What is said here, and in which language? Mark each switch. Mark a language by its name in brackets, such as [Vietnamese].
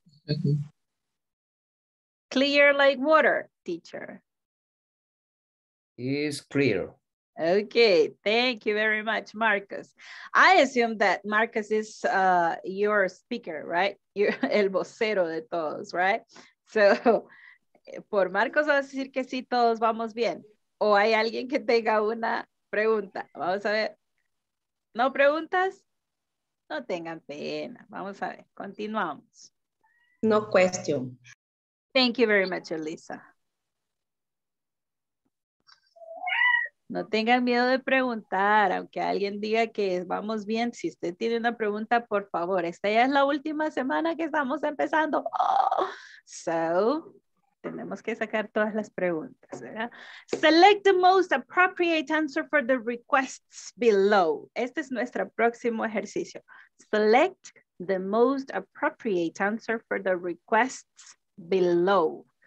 [English] Okay. Clear like water, teacher. It's clear. Okay, thank you very much, Marcus. I assume that Marcus is your speaker, right? You're [Spanish] el vocero de todos, [English] right? So, [Spanish] por Marcos vas a decir que sí, todos vamos bien. O hay alguien que tenga una pregunta. Vamos a ver. No preguntas, no tengan pena. Vamos a ver, continuamos. [English] No question. Thank you very much, Elisa. [Spanish] No tengan miedo de preguntar, aunque alguien diga que vamos bien. Si usted tiene una pregunta, por favor. Esta ya es la última semana que estamos empezando. [English] Oh, so, [Spanish] tenemos que sacar todas las preguntas, ¿verdad? [English] Select the most appropriate answer for the requests below. [Spanish] Este es nuestro próximo ejercicio. [English] Select the most appropriate answer for the requests below.